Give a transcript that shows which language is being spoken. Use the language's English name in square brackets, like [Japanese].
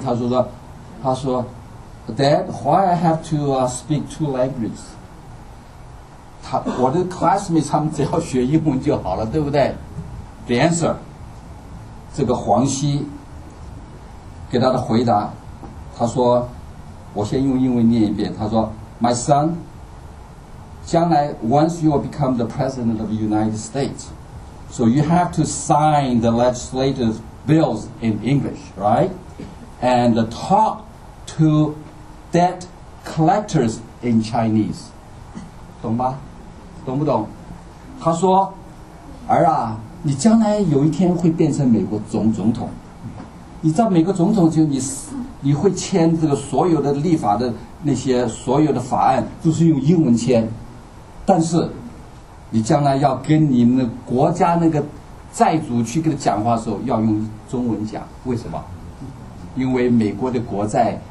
[Chinese] 他说 [English] ，Dad， why I have to speak two languages？ [Chinese] 我的 classmates 他们只要学英文就好了，对不对 ？ [English] The answer， [Chinese] 这个黄西给他的回答，他说，我先用英文念一遍。他说 [English] ，My son。 [Chinese] 将来 [English] once you become the president of the United States, so you have to sign the legislative bills in English, right? And talk to debt collectors in Chinese. [Chinese] 懂吧？懂不懂？他说，儿啊，你将来有一天会变成美国总统。你知道美国总统就你会签这个所有的立法的那些所有的法案都是用英文签。但是你将来要跟你们的国家那个债主去跟他讲话的时候要用中文讲，为什么？因为美国的国债